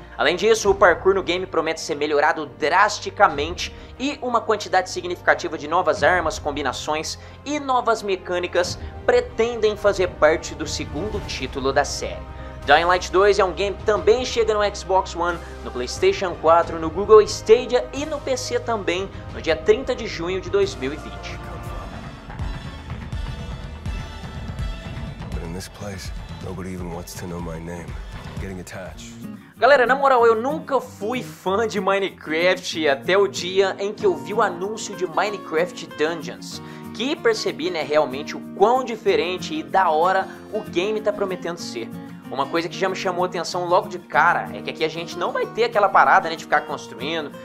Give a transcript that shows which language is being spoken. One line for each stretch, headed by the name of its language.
Portuguese: Além disso, o parkour no game promete ser melhorado drasticamente e uma quantidade significativa de novas armas, combinações e novas mecânicas pretendem fazer parte do segundo título da série. Dying Light 2 é um game que também chega no Xbox One, no PlayStation 4, no Google Stadia e no PC também, no dia 30 de junho de 2020.
English: But in this place, nobody even wants to know my name. Getting attached.
Portuguese: Galera, na moral, eu nunca fui fã de Minecraft até o dia em que eu vi o anúncio de Minecraft Dungeons, que percebi, né, realmente o quão diferente e da hora o game tá prometendo ser. Uma coisa que já me chamou atenção logo de cara é que aqui a gente não vai ter aquela parada, né, de ficar construindo.